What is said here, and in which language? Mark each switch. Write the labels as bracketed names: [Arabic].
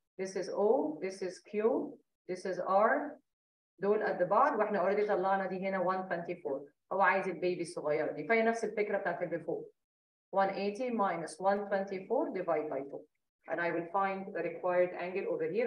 [English] This is O, this is Q, this is R. [Arabic] دول [English] at the bar, [Arabic] واحنا already طلعنا دي هنا 124. هو عايز البيبي الصغيره دي. فهي نفس الفكره بتاعت اللي فوق. [English] 180 minus 124 divide by 2. And I will find the required angle over here.